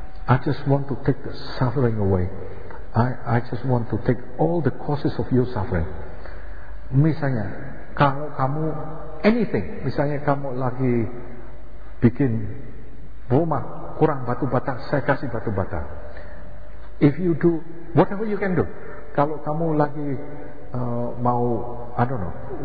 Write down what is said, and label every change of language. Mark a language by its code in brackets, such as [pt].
[en] I just want to take the suffering away. I just want to take all the causes of your suffering. [id] Misalnya, kalau kamu anything, misalnya kamu lagi bikin rumah kurang batu bata, saya kasih batu bata. [en] If you do whatever you can do, [id] kalau kamu lagi mau, [en] I don't know.